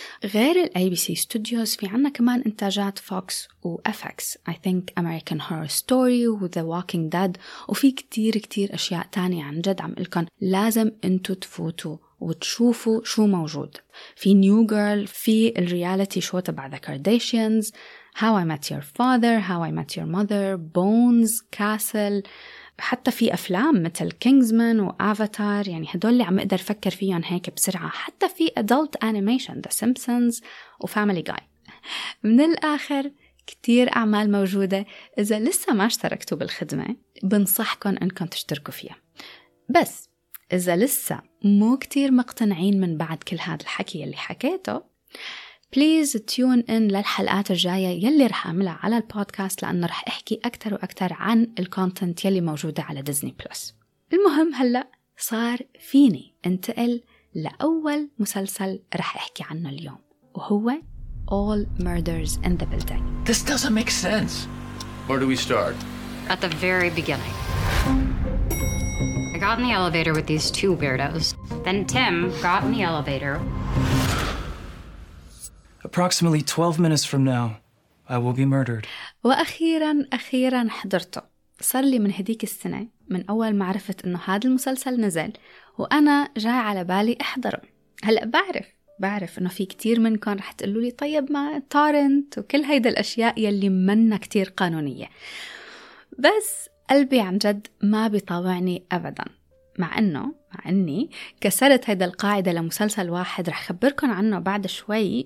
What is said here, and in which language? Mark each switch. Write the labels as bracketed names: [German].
[Arabic] غير الـ ABC Studios في عنا كمان انتاجات Fox و FX، [English] I think [Arabic] American Horror Story و The Walking Dead، وفي كتير كتير اشياء تانية عن جد عم قلكن لازم انتو تفوتوا وتشوفوا شو موجود. في New Girl، في الرياليتي شو تبع The Kardashians، How I Met Your Father، How I Met Your Mother، Bones، Castle، حتى في أفلام مثل Kingsman و Avatar، يعني هدول اللي عم أقدر أفكر فيهم هيك بسرعة. حتى في Adult Animation، The Simpsons و Family Guy. من الآخر كتير أعمال موجودة، إذا لسه ما اشتركتوا بالخدمة بنصحكم أنكم تشتركوا فيها. بس إذا لسه مو كتير مقتنعين من بعد كل هذا الحكي اللي حكيته، [English] please tune in [Arabic] للحلقات الجاية يلي رح أعملها على البودكاست، لأنه رح أحكي أكتر وأكتر عن الكونتنت يلي موجودة على ديزني بلس. المهم هلأ صار فيني انتقل لأول مسلسل رح أحكي عنه اليوم، وهو All Murders in the Building. [English] This doesn't make sense. Where do we start? At the very beginning. I got in the elevator with these two weirdos. Then Tim got in the elevator. Approximately 12 minutes from now, I will be murdered. [Arabic] وأخيراً حضرته. صار لي من هديك السنة من أول ما عرفت إنه هذا المسلسل نزل وأنا جاي على بالي أحضره. هلأ بعرف إنه في كتير منكم رح تقولوا لي طيب ما تارنت وكل هيدا الأشياء يلي منا كتير قانونية، بس قلبي عن جد ما بيطاوعني أبداً، مع أني كسرت هيدا القاعدة لمسلسل واحد رح خبركن عنه بعد شوي.